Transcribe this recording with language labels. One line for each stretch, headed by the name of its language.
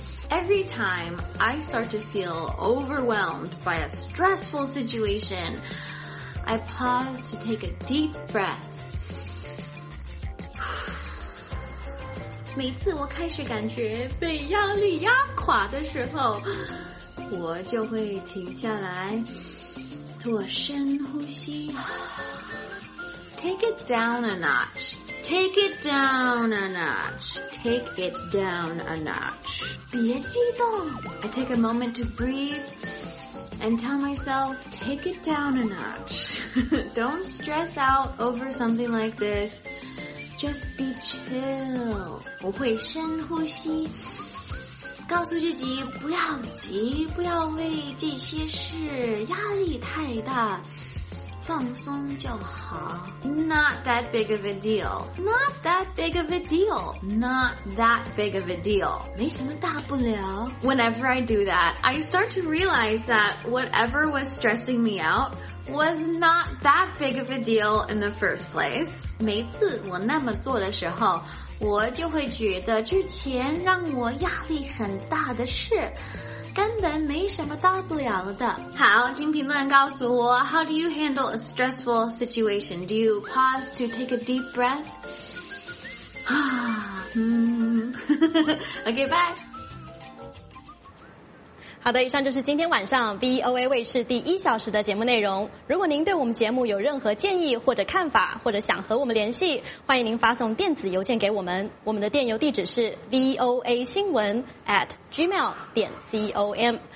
English: Every time I start to feel overwhelmed by a stressful situation, I pause to take a deep breath.
Chinese: 每次我开始感觉被压力压垮的时候，我就会停下来，做深呼吸。
English: Take it down a notch. Take it down a notch. Take it down a notch.
Chinese: 别激动。
English: I take a moment to breathe and tell myself, take it down a notch. Don't stress out over something like this. Just be chill.
Chinese: 我会深呼吸，告诉自己不要急，不要为这些事压力太大。放松就好。
English: Not that big of a deal. Not that big of a deal. Not that big of a deal.
Chinese: 没什么大不了。
English: Whenever I do that, I start to realize that whatever was stressing me out was not that big of a deal in the first place.
Chinese: 每次我那么做的时候，我就会觉得之前让我压力很大的事根本没什么大不了的。好，请评论告诉我
English: How do you handle a stressful situation? Do you pause to take a deep breath? OK, bye!
Chinese: 好的，以上就是今天晚上 VOA 卫视第一小时的节目内容。如果您对我们节目有任何建议或者看法，或者想和我们联系，欢迎您发送电子邮件给我们。我们的电邮地址是 voasinwen@gmail.com。